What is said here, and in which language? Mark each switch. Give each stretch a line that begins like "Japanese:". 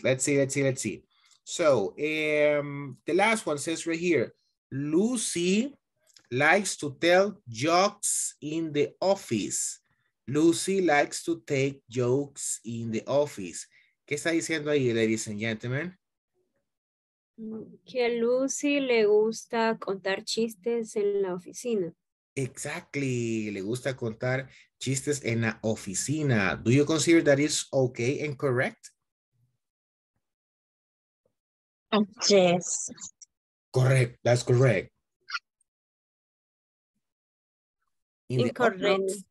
English: Let's see. So the last one says right here, Lucy likes to tell jokes in the office. Lucy likes to take jokes in the office.
Spanish: ¿Qué está diciendo ahí,
English: ladies and gentlemen?
Spanish: Que Lucy le gusta contar chistes en la oficina. Exactly. Le gusta contar chistes en la oficina.
English: Do you consider that is okay and correct? Yes. Correct. That's correct. Incorrect.